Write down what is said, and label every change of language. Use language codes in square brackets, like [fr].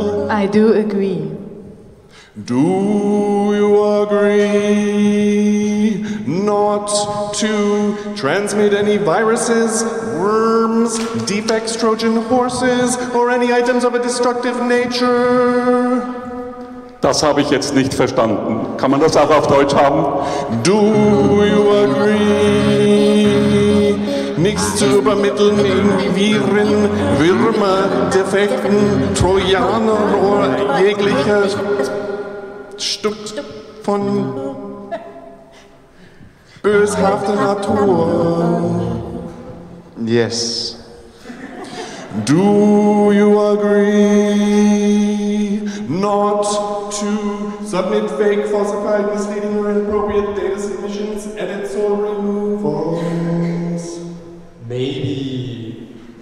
[en] I do agree. Do you agree not to transmit any viruses, worms, defects, Trojan horses, or any items of a destructive nature? [de] Das habe ich jetzt nicht verstanden. Kann man das auch auf Deutsch haben? [en] Do you agree, [de] nichts zu übermitteln in Viren, Würmer, Defekten, Trojaner oder jeglicher Stück von böshafter Natur? [en] Yes. Do you agree not to submit fake, falsified, misleading, or inappropriate data submissions, edits, or removals? Maybe.